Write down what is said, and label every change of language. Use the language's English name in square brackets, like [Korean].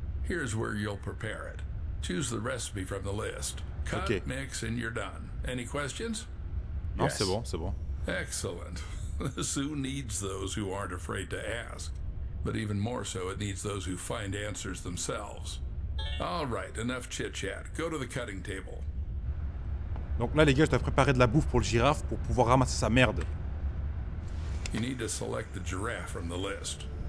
[English] Here's where you'll prepare it. Choose the recipe from the list. Cut, mix, and you're done. Any questions? [French] Non, [English] yes. [French] C'est bon, c'est bon. [English] Excellent. The zoo needs those who aren't afraid to ask. But even more so, it needs those who find answers themselves. All right, enough chit-chat. Go to the cutting table. [French] Donc là, les gars, je dois préparer de la bouffe pour le girafe pour pouvoir ramasser sa merde. [English] You need to select the giraffe from the list.